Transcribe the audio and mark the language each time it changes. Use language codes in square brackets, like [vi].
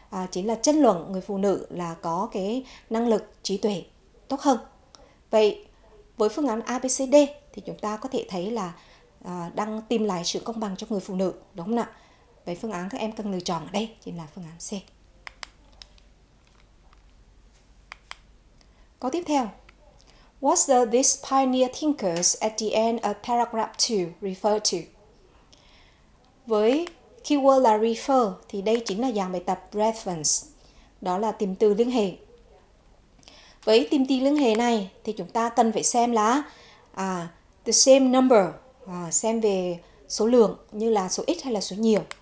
[vi] Chính là tranh luận người phụ nữ là có cái năng lực trí tuệ tốt hơn. Vậy với phương án ABCD thì chúng ta có thể thấy là đang tìm lại sự công bằng cho người phụ nữ, đúng không ạ? Vậy phương án các em cần lựa chọn ở đây chính là phương án C. Câu tiếp theo. [en] What do these pioneer thinkers at the end of paragraph 2 refer to? [vi] Với keyword là refer thì đây chính là dạng bài tập reference, đó là tìm từ liên hệ. Với tìm từ liên hệ này thì chúng ta cần phải xem là [en] the same number, [vi] xem về số lượng như là số ít hay là số nhiều.